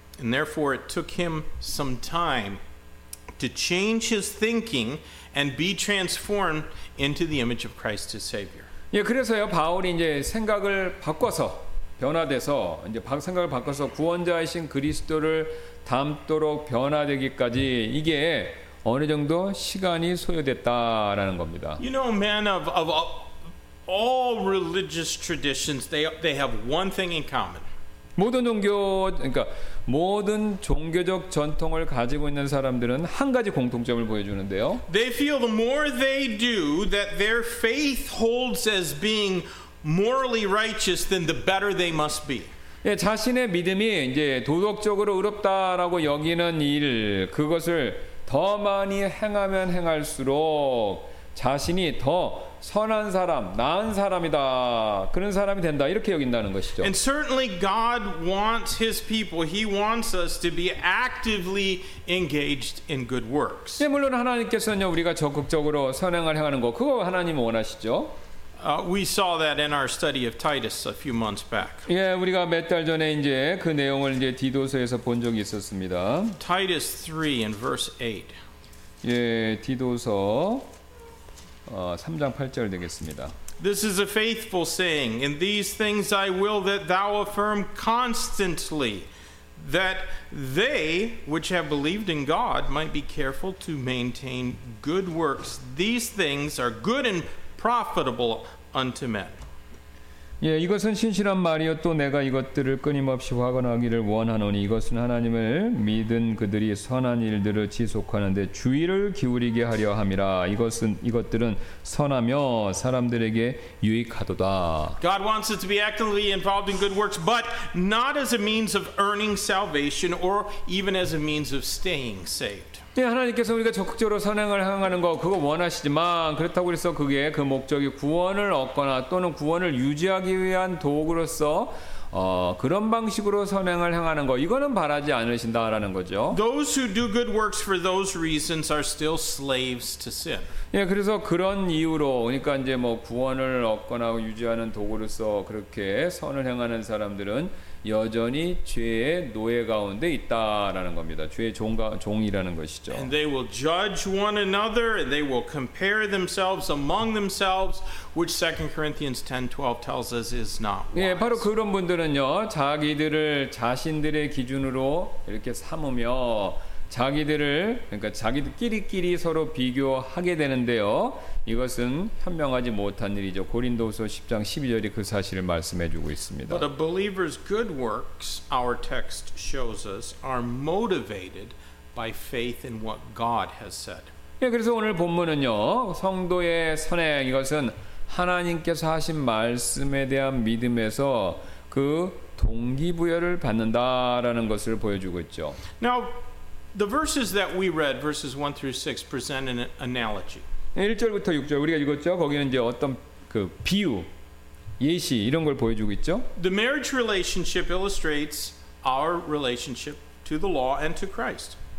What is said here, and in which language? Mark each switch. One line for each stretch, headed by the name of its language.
English: And therefore it took him some time to change his thinking and be transformed into the image of Christ his Savior.
Korean: 예, 그래서요. 바울이 이제 생각을 바꿔서 변화돼서 이제 생각을 바꿔서 구원자이신 그리스도를 닮도록 변화되기까지 이게 어느 정도 시간이 소요됐다라는 겁니다.
English: You know, men of all religious traditions, they have one thing in common.
Korean: 모든 종교 그러니까 모든 종교적 전통을 가지고 있는 사람들은 한 가지 공통점을 보여주는데요.
English: They feel the more they do that their faith holds as being morally righteous, then the better they must be.
Korean: 예, 자신의 믿음이 이제 도덕적으로 의롭다라고 여기는 일 그것을 더 많이 행하면 행할수록 자신이 더 선한 사람, 나은 사람이다. 그런 사람이 된다. 이렇게 여긴다는 것이죠.
English: And certainly God wants his people. He wants us to be actively engaged in good works.
Korean: 예, 물론 하나님께서는요, 우리가 적극적으로 선행을 행하는 거 그거 하나님 원하시죠?
English: We saw that in our study of Titus a few months back.
Korean: 예, 우리가 몇 달 전에 이제 그 내용을 이제 디도서에서 본 적이 있었습니다.
English: Titus 3 and verse 8.
Korean: 예, 디도서 3장 8절 되겠습니다.
English: This is a faithful saying. In these things I will that thou affirm constantly that they which have believed in God might be careful to maintain good works. These things are good and profitable unto men.
Korean: 예, 이것은 신실한 말이요 또 내가 이것들을 끊임없이 확언하기를 원하노니 이것은 하나님을 믿은 그들이 선한 일들을 지속하는데 주의를 기울이게 하려 함이라 이것들은 선하며 사람들에게 유익하도다.
English: God wants us to be actively involved in good works, but not as a means of earning salvation or even as a means of staying saved.
Korean: 예, 하나님께서 우리가 적극적으로 선행을 행하는 거 그거 원하시지만 그렇다고 해서 그게 그 목적이 구원을 얻거나 또는 구원을 유지하기 위한 도구로서 그런 방식으로 선행을 행하는 거 이거는 바라지 않으신다라는 거죠.
English: Those who do good works for those reasons are still slaves to sin.
Korean: 예, 그래서 그런 이유로 그러니까 이제 뭐 구원을 얻거나 유지하는 도구로서 그렇게 선을 행하는 사람들은 여전히 죄의 노예 가운데 있다라는 겁니다. 죄의 종이라는 것이죠.
English: And they will judge one another and they will compare themselves among themselves which 2 Corinthians 10:12 tells us is not wise.
Korean: 예, 바로 그런 분들은요. 자기들을 자신들의 기준으로 이렇게 삼으며 자기들을 그러니까 자기들끼리 서로 비교하게 되는데요. 이것은 현명하지 못한 일이죠. 고린도서 10장 12절이 그 사실을 말씀해 주고 있습니다.
English: But a believer's good works, our text shows us, are motivated by faith in what God has said.
Korean: 예, 그래서 오늘 본문은요. 성도의 선행 이것은 하나님께서 하신 말씀에 대한 믿음에서 그 동기부여를 받는다라는 것을 보여주고 있죠.
English: Now, the verses that we read, verses 1 through 6, present an analogy.
Korean: 1절부터 6절 우리가 읽었죠. 거기는 이제 어떤 그 비유, 예시 이런 걸 보여주고 있죠.
English: The marriage relationship illustrates our relationship to the law and to Christ.